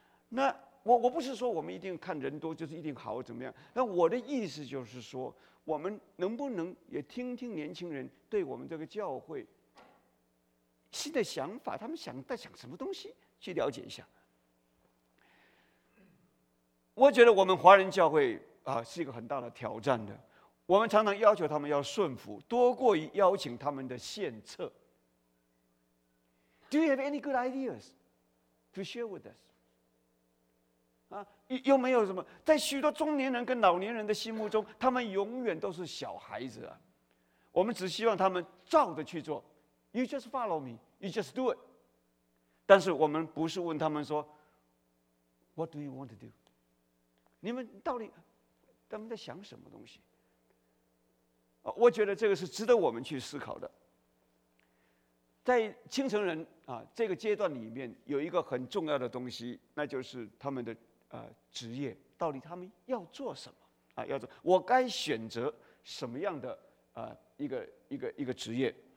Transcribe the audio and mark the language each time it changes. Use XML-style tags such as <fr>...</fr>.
<zh>那我不是说我们一定看人多就是一定好怎么样，那我的意思就是说，我们能不能也听听年轻人对我们这个教会新的想法，他们想在想什么东西，去了解一下。我觉得我们华人教会是一个很大的挑战的。我们常常要求他们要顺服，多过于邀请他们的献策。</zh> <en>Do you have any good ideas to share with us?</en> <zh>又没有什么，在许多中年人跟老年人的心目中，他们永远都是小孩子啊。我们只希望他们照着去做。</zh> <en>You just follow me. You just do it.</en> <zh>但是我们不是问他们说 ，</zh> <en>What do you want to do？</en> <zh>你们到底他们在想什么东西？我觉得这个是值得我们去思考的。在青城人啊这个阶段里面，有一个很重要的东西，那就是他们的职业，到底他们要做什么啊？要做我该选择什么样的一个职业？</zh>